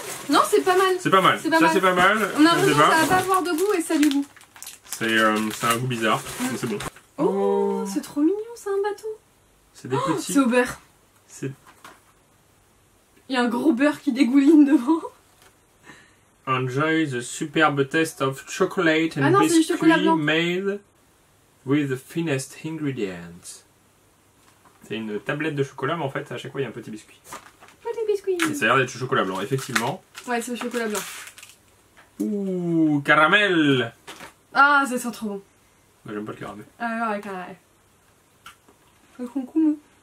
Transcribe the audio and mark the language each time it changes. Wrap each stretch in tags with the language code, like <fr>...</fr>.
<fr>Non, c'est pas mal. C'est pas mal. Ça, c'est pas mal. On a l'impression que ça va pas avoir de goût et ça a du goût. C'est un goût bizarre, mais c'est bon. Oh, c'est trop mignon, c'est un bateau. C'est des petits... C'est au beurre. Il y a un gros beurre qui dégouline devant.</fr> <en>Enjoy the superb taste of chocolate and biscuits made with the finest ingredients.</en> <fr>C'est une tablette de chocolat, mais en fait, à chaque fois, il y a un petit biscuit. Petit biscuit. Et ça a l'air d'être chocolat blanc, effectivement. Ouais, c'est chocolat blanc. Ouh, caramel. Ah, ça sent trop bon. Moi, j'aime pas le caramel. Ah, ouais, caramel. Le concombre.</fr>